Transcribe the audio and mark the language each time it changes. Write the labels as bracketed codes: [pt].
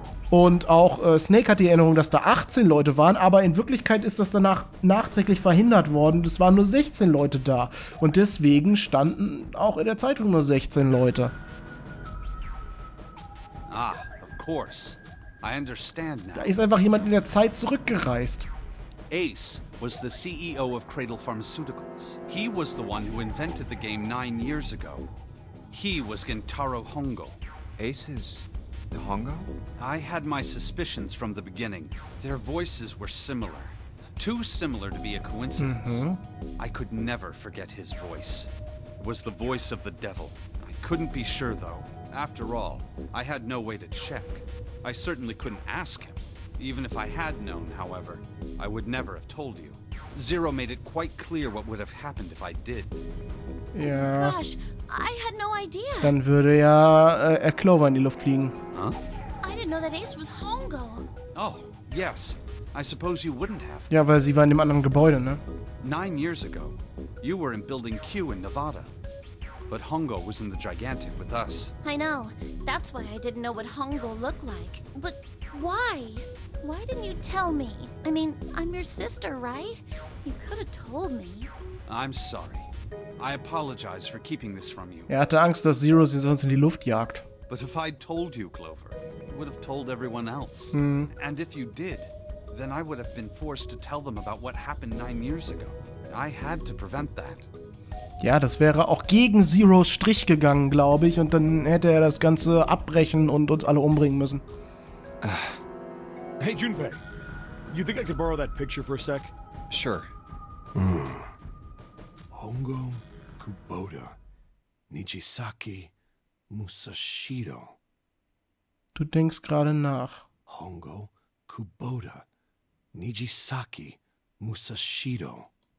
[de] Und auch Snake hat die Erinnerung, dass da 18 Leute waren. Aber in Wirklichkeit ist das danach nachträglich verhindert worden. Es waren nur 16 Leute da. Und deswegen standen auch in der Zeitung nur 16 Leute. [en] Ah, of course. I understand now. [de] Da ist einfach jemand in der Zeit zurückgereist. [en] Ace was the CEO of Cradle Pharmaceuticals. He was the one who invented the game 9 years ago. He was Gintaro Hongo. Ace is Hongo? I had my suspicions from the beginning. Their voices were similar. Too similar to be a coincidence. Mm-hmm. I could never forget his voice. It was the voice of the devil. I couldn't be sure though. After all, I had no way to check. I certainly couldn't ask him. Even if I had known, however, I would never have told you. Zero made it quite clear what would have happened if I did. Yeah. Gosh, I had no idea. [de] Dann würde ja Clover in die Luft fliegen. Huh? [en] I didn't know that Ace was Hongo. Oh, yes. I suppose you wouldn't have. [de] Ja, weil sie war in dem anderen Gebäude, ne? [en] 9 years ago, you were in Building Q in Nevada. But Hongo was in the Gigantic with us. I know. That's why I didn't know what Hongo looked like. But why? Why didn't you tell me? I mean, I'm your sister, right? You could have told me. I'm sorry. I apologize for keeping this from you. [de] Er hatte Angst, dass Zero sie sonst in die Luft jagt. [en] But if I told you, Clover, you would have told everyone else. And if you did, then I would have been forced to tell them about what happened 9 years ago. I had to prevent that. [de] Ja, das wäre auch gegen Zeros Strich gegangen, glaube ich, und dann hätte er das Ganze abbrechen und uns alle umbringen müssen. [en] Hey, Junpei. You think I could borrow that picture for a sec? Sure. Hongo Kubota Nijisaki Musashiro. [de] Du denkst gerade nach. [en] Hongo Kubota Nijisaki Musashiro.